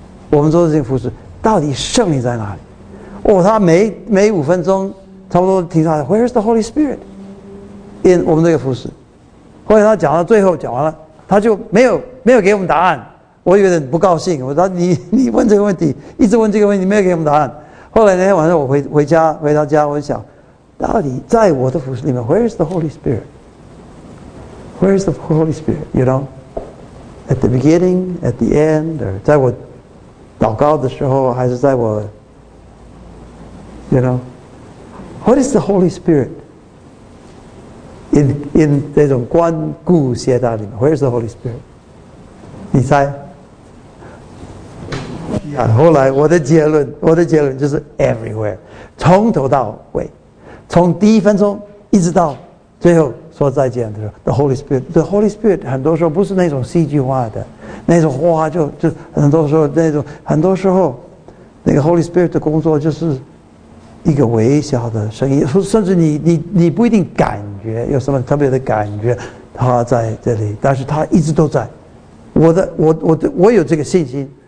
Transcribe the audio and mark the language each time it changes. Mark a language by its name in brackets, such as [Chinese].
[Chinese] 我们做这种服事，到底圣灵在哪里？” 哦，他每五分钟差不多停下来 ， [English] Where is the Holy Spirit in [Chinese] 我们这个服事？后来他讲到最后讲完了，他就没有给我们答案。我有点不高兴，我说你问这个问题，一直问这个问题，没有给我们答案。后来那天晚上我回到家，我想，到底在我的服事里面 ， [English] Where is the Holy Spirit？ Where is the Holy Spirit？ You know， at the beginning， at the end， or [Chinese] 在我祷告的时候，还是在我， [English] you know， what is the Holy Spirit？ In [Chinese] 这种关顾懈怠里面 [English] ，Where is the Holy Spirit？ [Chinese] 你猜？后来我的结论就是 everywhere， 从头到尾，从第一分钟一直到最后说再见的时候 ，the Holy Spirit 很多时候不是那种戏剧化的，那种话就很多时候那种很多时候，那个 Holy Spirit 的工作就是一个微小的声音，甚至你不一定感觉有什么特别的感觉，他在这里，但是他一直都在，我有这个信心。